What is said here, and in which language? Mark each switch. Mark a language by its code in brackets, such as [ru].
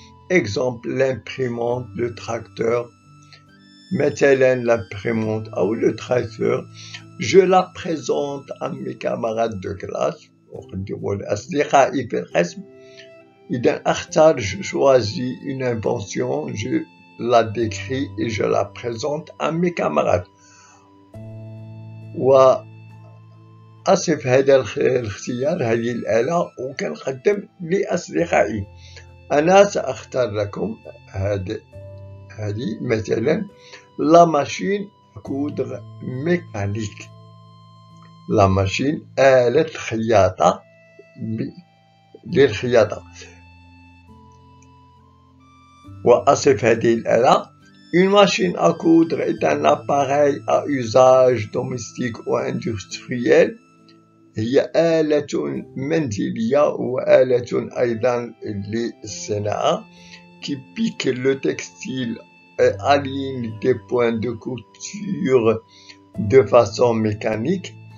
[fr] exemple l'imprimante, le tracteur, je la présente à mes camarades de classe, je choisis une invention, je la décrit et je la présente à mes camarades. [ar] وأصف هذا الاختيار هذه الآلة وكنقدم لأصدقائي. أنا سأختار لكم هذه مثلا لا ماشين كودغ ميكانيك. لا ماشين آلة خياطة للخياطة. وأصف هذه الآلة [fr] une machine à coudre est un appareil à usage domestique ou industriel. [ar] هي آلة منزلية وآلة أيضا للصناعة [fr] qui pique le textile et aligne des points de couture de façon mécanique.